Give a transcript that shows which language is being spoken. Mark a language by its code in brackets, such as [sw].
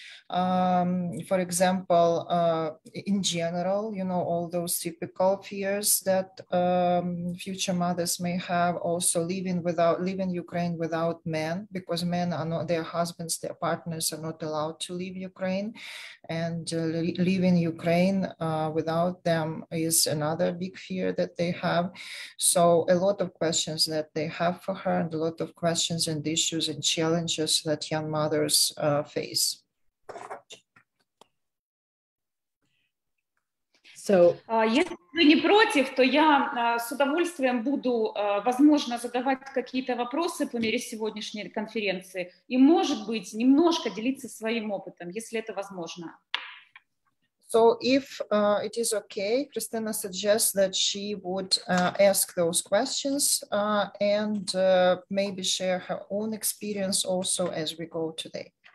[en] For example, in general, you know, all those typical fears that future mothers may have, also leaving Ukraine without men, because men are not, their husbands, their partners are not allowed to leave Ukraine, and leaving Ukraine without them is another big fear that they have. So a lot of questions that they have for her, and a lot of questions and issues and challenges that young mothers face. So, [uk] якщо ви не проти, то я з [ru] удовольствием буду, возможно, задавать какие-то вопросы по мере сегодняшней конференции и, может быть, немножко делиться своим опытом, если это возможно. [en] So if it is okay, Christina suggests that she would ask those questions and maybe share her own experience also as we go today.